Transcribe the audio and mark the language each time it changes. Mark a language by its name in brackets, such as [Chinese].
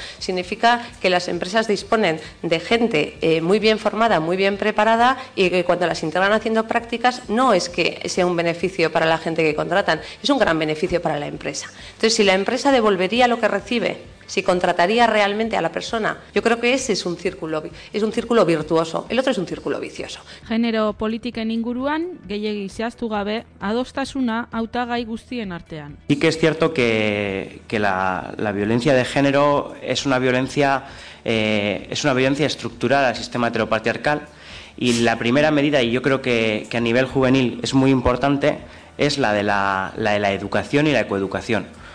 [Spanish] Significa que las empresas disponen de gente muy bien formada, muy bien preparada, y que cuando las integran haciendo prácticas no es que sea un beneficio para la gente que contratan, es un gran beneficio para la empresa. Entonces, si la empresa devolvería lo que recibe, si contrataría realmente a la persona, yo creo que ese es un círculo virtuoso, el otro es un círculo vicioso. [Basque] Genero politiken inguruan, gehiegi zehaztu gabe, adostasuna hautagai guztien artean. [Spanish] Sí que es cierto que la violencia de género es una violencia estructural al sistema heteropatriarcal, y la primera medida, y yo creo que a nivel juvenil es muy importante, es la de la educación y la coeducación.